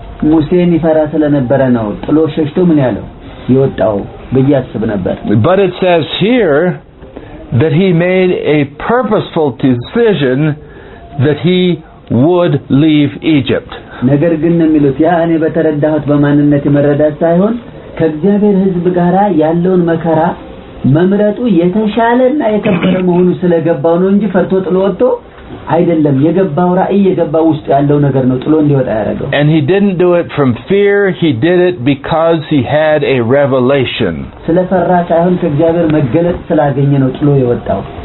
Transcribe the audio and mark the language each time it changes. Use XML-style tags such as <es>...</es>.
<am>ሙሴን ይፈራ ስለነበረ ነው ጥሎ ሸሽቶ ምን ያለው ይወጣው በያስብ ነበር.</am> <en>But it says here that he made a purposeful decision that he would leave Egypt.</en> <am>ነገር ግን የሚሉት ያ እኔ በተረዳሁት በማንነት የመረዳ ሳይሆን ከእግዚአብሔር ህዝብ ጋራ ያለውን መከራ መምረጡ የተሻለና የከበረ መሆኑ ስለገባው ነው እንጂ ፈርቶ ጥሎ ወጦ አይደለም የገባው ራእይ የገባው ውስጥ ያለው ነገር ነው ጥሎ እንዲወጣ ያደረገው</am> <en>And he didn't do it from fear he did it because he had a revelation</en> <am>ስለፈራ ሳይሆን ከእግዚአብሔር መገለጥ ስላገኘ ነው ጥሎ የወጣው</am>